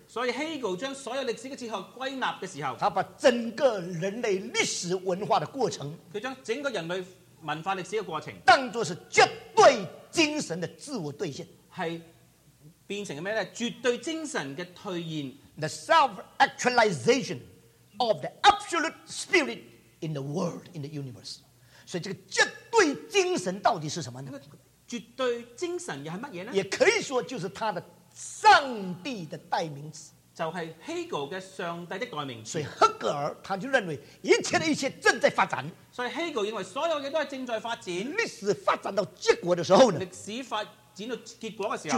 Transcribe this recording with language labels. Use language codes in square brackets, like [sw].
[zh] 所以 Hegel 将所有历史的哲学归纳的时候他把整个人类历史文化的过程他将整个人类文化历史的过程当作是绝对精神的自我兑现是变成什么呢绝对精神的兑现 [en] The self-actualization of the absolute spirit in the world, in the universe [zh] 所以这个绝对精神到底是什么呢绝对精神又是什么呢也可以说就是他的上帝的代名词就是 Hegel 的上帝的代名词所以赫格尔他就认为一切的一切正在发展所以 Hegel 认为所有的都是正在发展历史发展到结果的时候呢历史发展到结果的时候